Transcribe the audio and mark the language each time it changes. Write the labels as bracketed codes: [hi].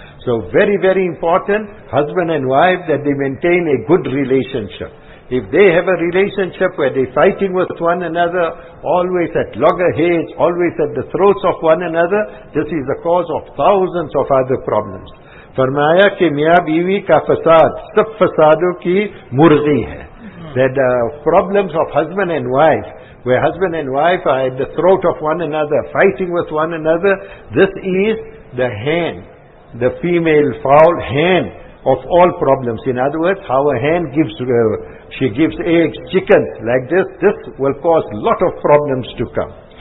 [en] So very, very important, husband and wife, that they maintain a good relationship. If they have a relationship where they're fighting with one another, always at loggerheads, always at the throats of one another, this is the cause of thousands of other problems. [ur] فرمایا کہ میاں بیوی کا فساد سب فسادوں کی مرغی ہے. [en] That the problems of husband and wife, where husband and wife are at the throat of one another, fighting with one another, this is the hen, the female fowl hen of all problems. In other words, how a hen gives, she gives eggs, chickens, like this, this will cause lot of problems to come.